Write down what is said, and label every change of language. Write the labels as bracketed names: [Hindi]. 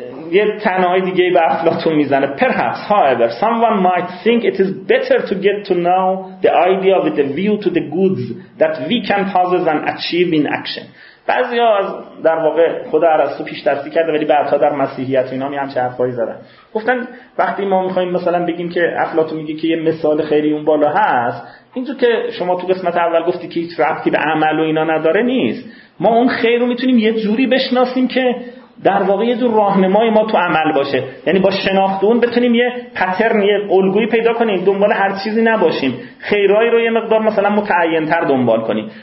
[Persian] یه تنهایی دیگه به افلاطون میزنه. [English] Perhaps, however, someone might think it is better to get to know the idea with a view to the goods that we can possess and achieve in action. [Persian] بعضی ها در واقع خود ارسطو پیش دستی کرده ولی بعدها در مسیحیت اینا میان چه حرفایی زدن. گفتن وقتی ما میخواییم مثلا بگیم که افلاطون میگه که یه مثال خیلی اون بالا هست، اینجور که شما تو قسمت اول گفتی که هیچ ربطی به عمل و اینا نداره نیست. ما اون خیر رو میتونیم یه جوری بشناسیم که در واقع یه جور راهنمای ما تو عمل باشه، یعنی با شناخت اون بتونیم یه پترن، یه الگویی پیدا کنیم، دنبال هر چیزی نباشیم، خیرهایی رو یه مقدار مثلا متعین‌تر دنبال کنیم.